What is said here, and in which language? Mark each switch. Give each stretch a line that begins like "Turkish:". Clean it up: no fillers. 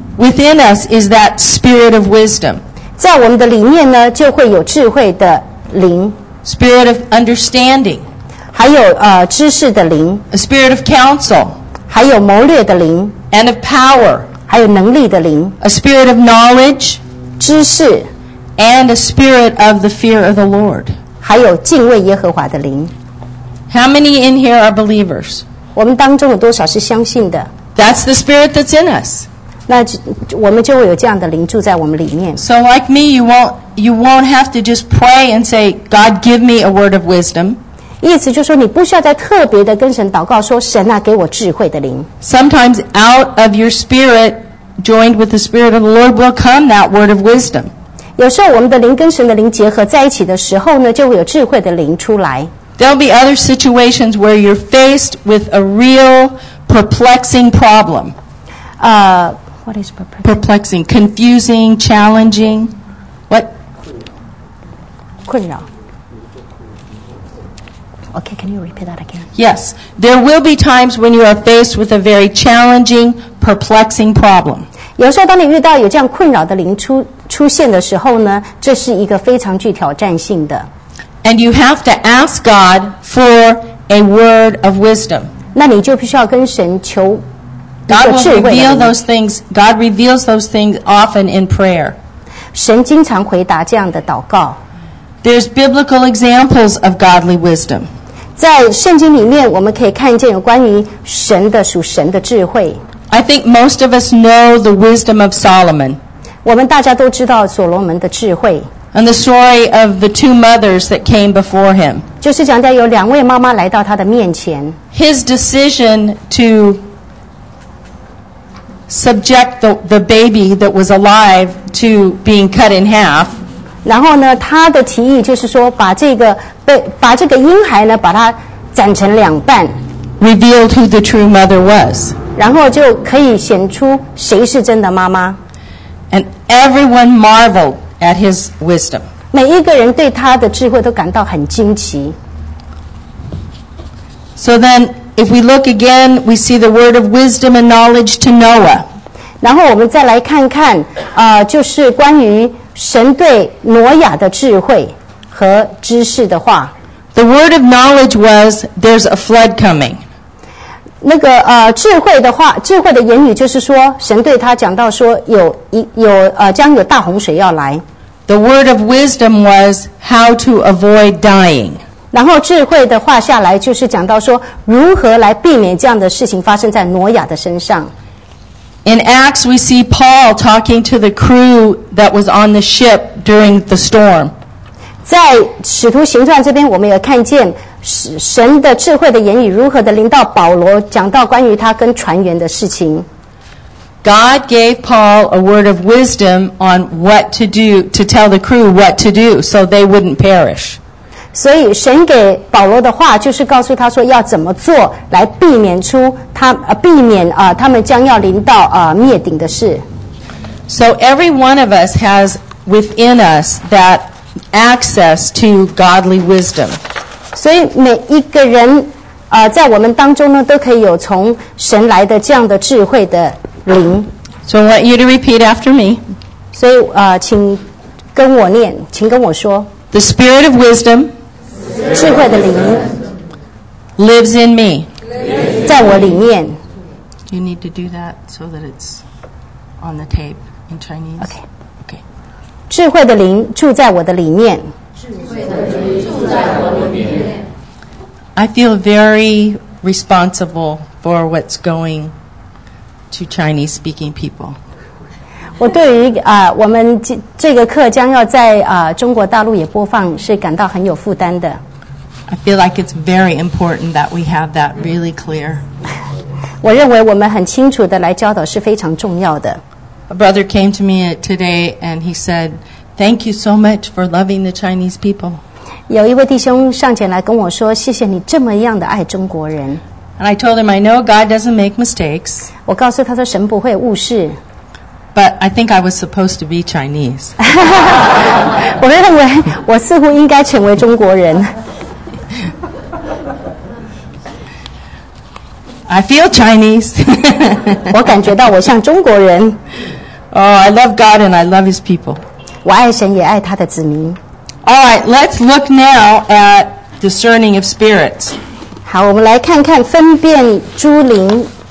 English: Within us is that Spirit of wisdom.
Chinese: 在我们的里面呢，就会有智慧的灵。
English: Spirit of understanding.
Chinese: 还有知识的灵。
English: A spirit of counsel.
Chinese: 还有谋略的灵。
English: And of power.
Chinese: 还有能力的灵。
English: A spirit of knowledge.
Chinese: 知识
English: and a spirit of the fear of the Lord.
Chinese: 还有敬畏耶和华的灵。
English: How many in here are believers?
Chinese: 我们当中有多少是相信的？
English: That's the spirit that's in us.
Chinese: 那我们就会有这样的灵住在我们里面。
English: So like me, you won't have to just pray and say, God, give me a word of wisdom.
Chinese: 意思就是说，你不需要再特别的跟神祷告说，神啊，给我智慧的灵。
English: Sometimes out of your spirit. Joined with the Spirit of the Lord will come that word of wisdom.
Chinese: 有时候我们的灵跟神的灵结合在一起的时候呢，就会有智慧的灵出来。
English: There'll be other situations where you're faced with a real perplexing problem. What is perplexing? Perplexing, confusing, challenging. What?
Chinese: 困扰。
English: Okay, can you repeat that again? Yes. There will be times when you are faced with a very challenging, perplexing problem.
Chinese: 有时候当你遇到有这样困扰的灵 出现的时候呢，这是一个非常具挑战性的。
English: And you have to ask God for a word of wisdom.
Chinese: 那你就必须要跟神求一个智慧的灵。
English: God will reveal those things. God reveals those things often in prayer.
Chinese: 神经常回答这样的祷告。
English: There's biblical examples of godly wisdom.
Chinese: 在圣经里面，我们可以看见有关于神的属神的智慧。
English: I think most of us know the wisdom of Solomon.
Chinese: 我们大家都知道所罗门的智慧。
English: And the story of the two mothers that came before him.
Chinese: 就是讲到有两位妈妈来到他的面前。
English: His decision to subject the baby that was alive to being cut in half.
Chinese: 然后呢，他的提议就是说，把这个婴孩呢，把它斩成两半。
English: Revealed who the true mother was.
Chinese: 然后就可以显出谁是真的妈妈。
English: And everyone marveled at his wisdom.
Chinese: 每一个人对他的智慧都感到很惊奇。
English: So then, if we look again, we see the word of wisdom and knowledge to Noah.
Chinese: 然后我们再来看看，就是关于。神对挪亚的智慧和知识的话。
English: The word of knowledge was, there's a flood coming.
Chinese: 那个智慧的话，智慧的言语就是说，神对他讲到说将有大洪水要来。
English: The word of wisdom was, how to avoid dying.
Chinese: 然后智慧的话下来就是讲到说，如何来避免这样的事情发生在挪亚的身上。
English: In Acts, we see Paul talking to the crew that was on the ship during the storm.
Chinese: 在使徒行传这边，我们也看见神的智慧的言语如何的临到保罗，讲到关于他跟船员的事情。
English: God gave Paul a word of wisdom on what to do, to tell the crew what to do so they wouldn't perish.
Chinese: 所以神给保罗的话就是告诉他说要怎么做来避免出他、避免、他们将要临到、灭顶的事。
English: So every one of us has within us that access to godly wisdom.
Chinese: 所以每一个人、在我们当中呢都可以有从神来的这样的智慧的灵。
English: So I want you to repeat after me.
Chinese: 所以、请跟我念，请跟我说。
English: The spirit of wisdom,
Chinese: 智慧的灵
English: lives in me.
Chinese: 在我里面。
English: You need to do that so that it's on the tape in Chinese. Okay. Okay.
Chinese: 智慧的灵住在我的里面。
English: I feel very responsible for what's going to Chinese speaking people.
Chinese: 我对于、我们这个课将要在、中国大陆也播放是感到很有负担的。
English: I feel like it's very important that we have that really clear.
Chinese: 我认为我们很清楚的来教导是非常重要的。
English: A brother came to me today and he said, thank you so much for loving the Chinese people.
Chinese: 有一位弟兄上前来跟我说谢谢你这么样的爱中国人。
English: And I told him, I know God doesn't make mistakes.
Chinese: 我告诉他说神不会误事。
English: But I think I was supposed to be Chinese.
Chinese: 我认为我似乎应该成为中国人。
English: I feel Chinese.
Chinese: 我感觉到我像中国人。
English: Oh, I love God and I love His people.
Chinese: 我爱神也爱他的子民。
English: All right, let's look now at discerning of spirits.
Chinese: 好，我们来看看分辨诸灵。